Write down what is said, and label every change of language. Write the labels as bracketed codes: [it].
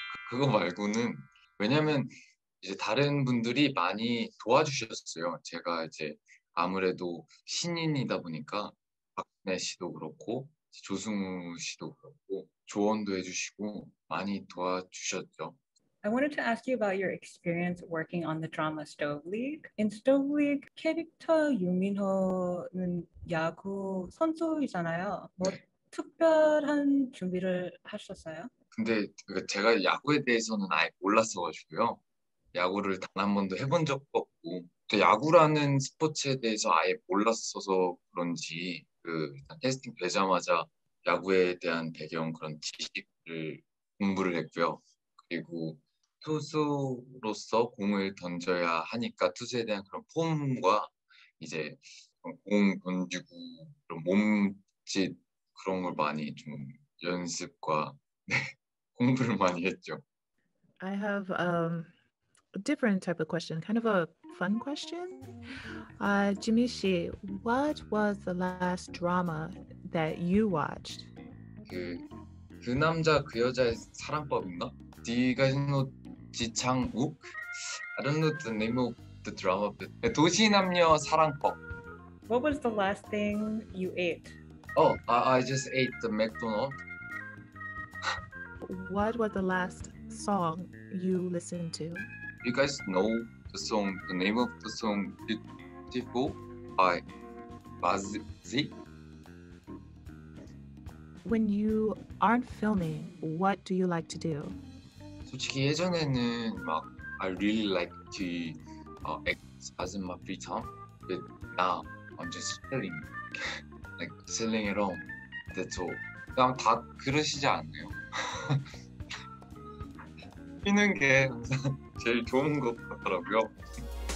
[ko] 그거 말고는, 왜냐면 이제 다른 분들이 많이 도와주셨어요. 제가 이제 아무래도 신인이다 보니까 박근혜 씨도 그렇고 조승우 씨도 그렇고 조언도 해주시고 많이 도와주셨죠. [en] I wanted to ask you about your experience working on the drama Stove League. [ko] In Stove League, 캐릭터 유민호는 야구 선수이잖아요. 뭐 특별한 준비를 하셨어요? 근데 제가 야구에 대해서는 아예 몰랐어가지고요. 야구를 단한 번도 해본 적도 없고, 야구라는 스포츠에 대해서 아예 몰랐어서 그런지, 일단 캐스팅 되자마자 야구에 대한 배경 그런 지식을 공부를 했고요. 그리고 투수로서 공을 던져야 하니까 투수에 대한 그런 폼과 이제 공 던지고 그런 몸짓 그런 걸 많이 좀 연습과 공부를 많이 했죠. [en] I have a different type of question, kind of a fun question. Jimmy Shi, what was the last drama that you watched? [ko] 그 남자 그 여자의 사랑법인가? 니가 신노 지창욱? [en] I don't know the name of the drama, but 도시남녀 사랑법. What was the last thing you ate? Oh, I just ate the McDonald's. What was the last song you listened to? You guys know the song, the name of the song, Beautiful by Bazzi? When you aren't filming, what do you like to do? [ko] 솔직히 예전에는 막 [en] I really like to exercise in my free time, but now I'm just chilling, like chilling at home. That's all. [ko] 그냥 다 그러시지 않네요. 쉬는 게 항상 제일 좋은 것 같더라고요.